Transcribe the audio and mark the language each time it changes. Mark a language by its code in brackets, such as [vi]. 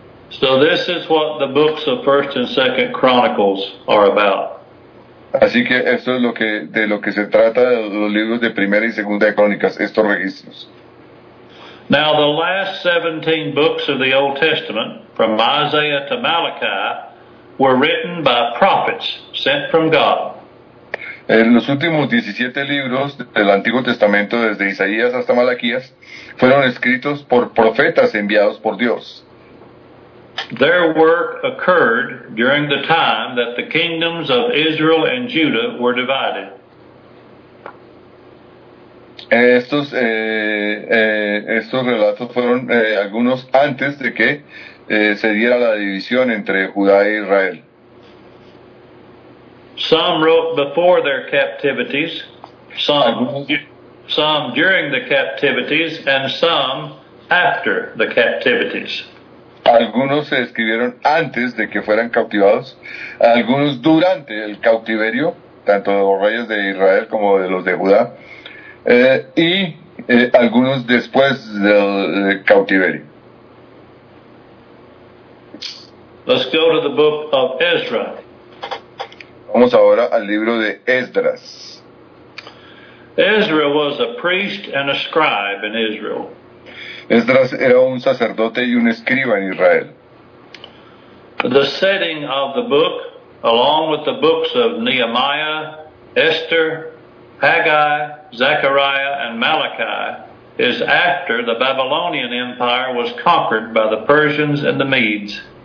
[en] So this is what the books of 1 and 2 Chronicles are about. [es] Así que esto es lo que se trata de los libros de Primera y Segunda de Crónicas, estos registros. [en] Now the last 17 books of the Old Testament, from Isaiah to Malachi, were written by prophets sent from God. [es] En los últimos 17 libros del Antiguo Testamento, desde Isaías hasta Malaquías, fueron escritos por profetas enviados por Dios. [en] Their work occurred during the time that the kingdoms of Israel and Judah were divided. [es] Estos relatos fueron algunos antes de que se diera la división entre Judá e Israel. [en] Some wrote before their captivities, some during the captivities, and some after the captivities. [es] Algunos se escribieron antes de que fueran cautivados, algunos durante el cautiverio, tanto de los reyes de Israel como de los de Judá, y algunos después del cautiverio. [en] Let's go to the book of Ezra. [es] Vamos ahora al libro de Esdras. [en] Ezra was a priest and a scribe in Israel. [es] Esdras era un sacerdote y un escriba en Israel. [en] The setting of the book, along with the books of Nehemiah, Esther, Haggai, Zechariah, and Malachi, is after the Babylonian Empire was conquered by the Persians and the Medes.